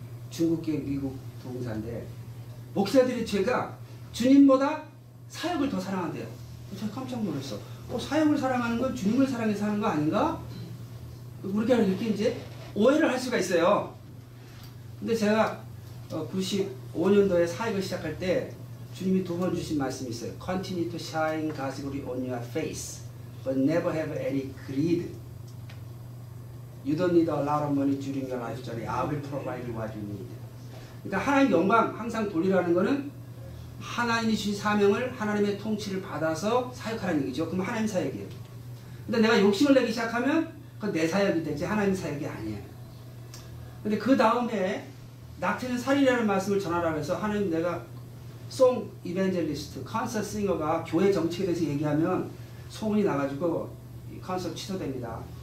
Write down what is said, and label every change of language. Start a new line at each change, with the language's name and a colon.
Korean: 중국계 미국 동사인데 목사들이 제가 주님보다 사역을 더 사랑한대요. 제가 깜짝 놀랐어. 사역을 사랑하는 건 주님을 사랑해서 하는 거 아닌가? 우리가 이렇게 이제 오해를 할 수가 있어요. 근데 제가 95년도에 사역을 시작할 때 주님이 두 번 주신 말씀이 있어요.
English: Continue to shine God's glory on your face, but never have any greed. You don't need a lot of money during your life journey. I will provide what you need.
Korean: 그러니까 하나님 영광 항상 돌리라는 거는 하나님이 주신 사명을 하나님의 통치를 받아서 사역하라는 얘기죠. 그럼 하나님 사역이에요. 근데 내가 욕심을 내기 시작하면 그건 내 사역이 되지 하나님 사역이 아니에요. 근데 그 다음에 낙태는 살이라는 말씀을 전하라고 해서 하나님 내가 송 이벤젤리스트, 콘서트 싱어가 교회 정책에 대해서 얘기하면 소문이 나가지고 콘서트 취소됩니다.